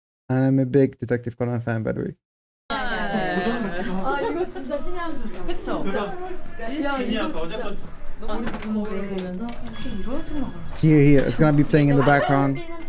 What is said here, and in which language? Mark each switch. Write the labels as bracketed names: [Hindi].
[English] I'm a big Detective Conan fan, by the way. [Korean] 아, 이거 진짜 신의 한 수다. 그쵸? 진짜. 야, 이거 진짜. 우리 부모를 보면서 이렇게 이런 생각을 하죠. [English] Here, here. It's gonna be playing in the background.